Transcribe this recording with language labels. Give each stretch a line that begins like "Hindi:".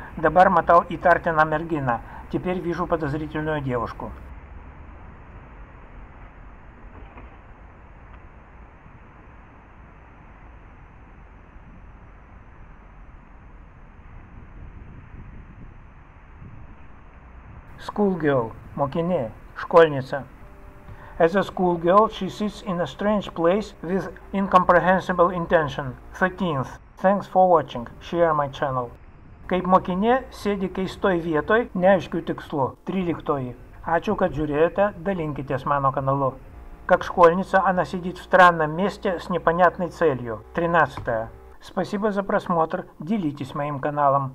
Lithuanian: Dabar matau įtartiną merginą.
Russian: Теперь вижу подозрительную девушку.
English: Schoolgirl,
Russian: мокине, школьница.
English: As a schoolgirl, she sits in a strange place with incomprehensible intention. 13th. Thanks for watching. Share my channel.
Lithuanian: Kaip mokinė sėdi keistoj vietoj, neaiškiu tikslu. 13. Ačiū, kad žiūrėjote, dalinkitės mano kanalu. Kaip
Russian: школьница, она сидит в странном месте с непонятной целью. 13. Спасибо за просмотр, делитесь моим каналом.